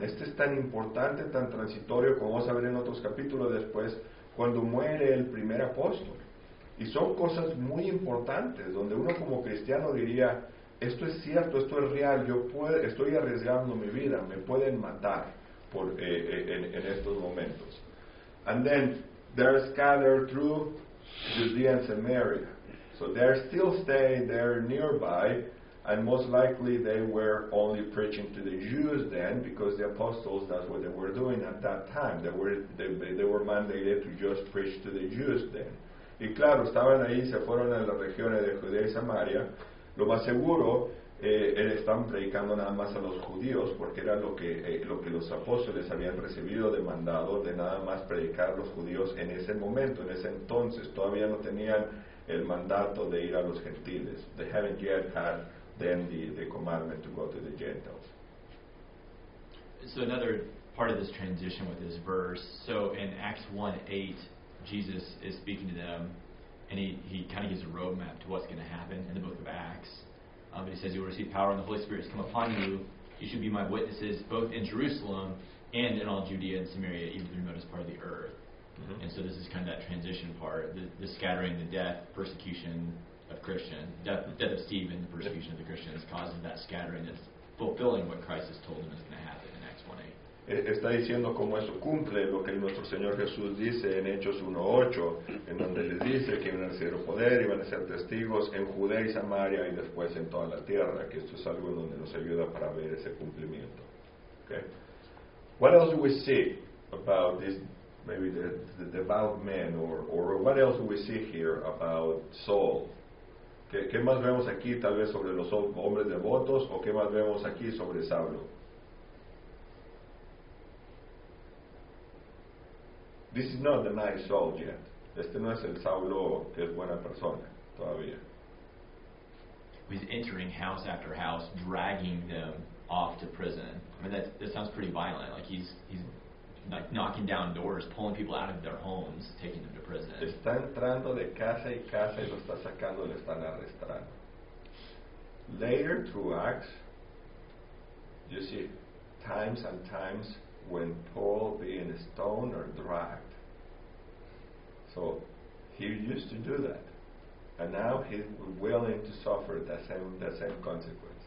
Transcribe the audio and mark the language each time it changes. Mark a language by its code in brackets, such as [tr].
[es] Este es tan importante, tan transitorio, como vamos a ver en otros capítulos después, cuando muere el primer apóstol. Y son cosas muy importantes, donde uno como cristiano diría, esto es cierto, esto es real, estoy arriesgando mi vida, me pueden matar en estos momentos. [en] And then, they're scattered through Judea and Samaria. So they're still staying there nearby, and most likely they were only preaching to the Jews then, because the apostles, that's what they were doing at that time. They were mandated to just preach to the Jews then. [es] Y claro, estaban ahí, se fueron a las regiones de Judea y Samaria. Lo más seguro, estaban predicando nada más a los judíos, porque era lo que los apóstoles habían recibido de mandado, de nada más predicar a los judíos en ese momento, en ese entonces. Todavía no tenían el mandato de ir a los gentiles. [en] They haven't yet had then the commandment to go to the Gentiles. So another part of this transition with this verse, so in Acts 1:8, Jesus is speaking to them, and he kind of gives a roadmap to what's going to happen in the book of Acts. But he says, you will receive power when the Holy Spirit has come upon you. You should be my witnesses both in Jerusalem and in all Judea and Samaria, even the remotest part of the earth. Mm-hmm. And so this is kind of that transition part, the scattering, the death, persecution of Christians, death of Stephen, the persecution of the Christians, causing that scattering that's fulfilling what Christ has told them is going to happen in Acts 1:8. [es] Está diciendo cómo eso cumple lo que nuestro Señor Jesús dice en Hechos 1:8, en donde les dice que iban a recibir poder y van a ser testigos en Judea y Samaria y después en toda la tierra, que esto es algo donde nos ayuda para ver ese cumplimiento. [en] Okay. What else do we see about this, maybe the devout man, or what else do we see here about Saul? [es] ¿Qué más vemos aquí tal vez sobre los hombres devotos, o qué más vemos aquí sobre Saulo? [en] This is not the nice Saul yet. [es] Este no es el Saulo que es buena persona todavía. [en] He's entering house after house, dragging them off to prison. I mean, that sounds pretty violent. Like he's like knocking down doors, pulling people out of their homes, taking them to prison. [es] Está entrando de casa y casa y lo está sacando, lo están arrestando. [en] Later through Acts, you see times and times when Paul being stoned or dragged. So he used to do that, and now he's willing to suffer the same consequence.